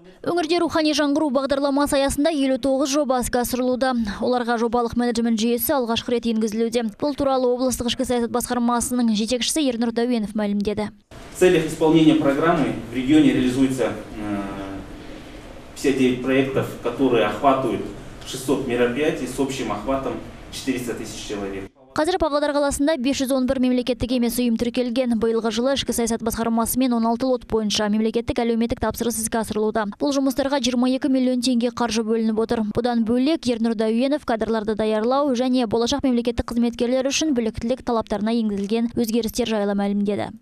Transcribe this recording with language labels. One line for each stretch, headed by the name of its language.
Kazakh: Өңірде рухани жаңғыру бағдарламасы аясында 59 жоба іске асырылуда. Оларға жобалық менеджмент жүйесі алғашқы рет енгізілуде. Бұл туралы облыстық ішкі саясат басқармасының жетекшісі Ернұр Дәуенов мәлімдеді.
Russian: В целях исполнения программы в регионе реализуется 59 проектов, которые охватывают 600 мероприятий с общим охватом 400 тысяч человек.
Kazakh: Қазір Павлодар қаласында 511 мемлекеттік емес ұйым тіркелген. Бұйылғы жылы ішкі саясат басқармасы мен 16 лот бойынша мемлекеттік әлеуметтік тапсырыс іске асырылуда. Бұл жұмыстарға 22 миллион теңге қаржы бөлініп отыр. Бұдан бөлек Ернұр Дәуенов кадрларды даярлау және болашақ мемлекеттік қызметкерлер үшін біліктілік талаптарына енгізілген өзгерістер жайлы мәлімдеді.